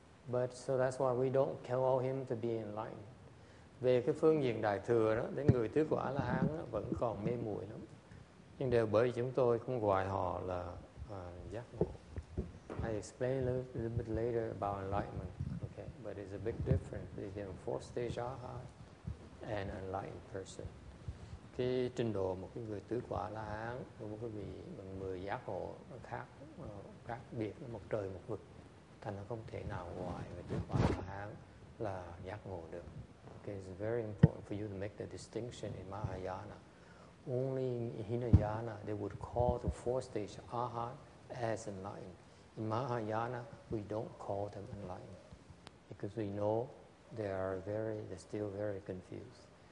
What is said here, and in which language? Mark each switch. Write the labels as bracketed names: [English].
[English] But so that's why we don't call him to be enlightened. [Vietnamese] Về cái phương diện đại thừa đó, đến người tứ quả la hán vẫn còn mê muội lắm. Nhưng đều bởi vì chúng tôi không gọi họ là giác ngộ. [English] I explain a little bit later about enlightenment. Okay, but it's a big difference between four stage arhat and enlightened person. [Vietnamese] Cái trình độ một cái người tứ quả la hán với một cái vị bằng người giác ngộ khác khác biệt một trời một vực. Thành nó không thể nào gọi người tứ quả la hán là giác ngộ được. [English] It's very important for you to make the distinction in Mahayana. Only in Hinayana, they would call the four-stage arhat as enlightened. In Mahayana, we don't call them enlightened because we know they're still very confused.